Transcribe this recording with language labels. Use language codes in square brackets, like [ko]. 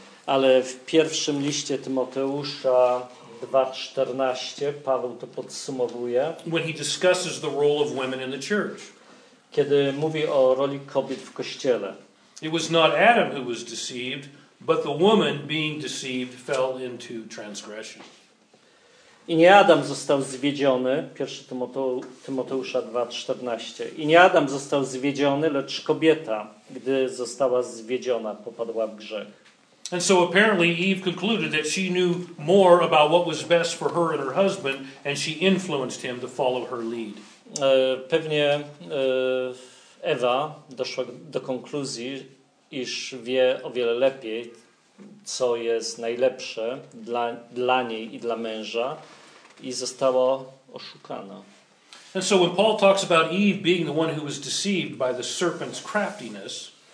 [pl] Ale w pierwszym liście Tymoteusza 2:14 Paweł to podsumowuje. [en] When he discusses the role of women in the church. [pl] Kiedy mówi o roli kobiet w kościele. [en] It was not Adam who was deceived, but the woman being deceived fell into transgression. [pl] I nie Adam został zwiedziony, 1 Tymoteusza 2:14. I nie Adam został zwiedziony, lecz kobieta, gdy została zwiedziona, popadła w grzech. [en] And so apparently Eve concluded that she knew more about what was best for her and her husband, and she influenced him to follow her lead. [pl] Pewnie Ewa doszła do konkluzji, iż wie o wiele lepiej, co jest najlepsze dla niej i dla męża, i została oszukana. [en] And so when Paul talks about Eve being the one who was deceived by the serpent's craftiness,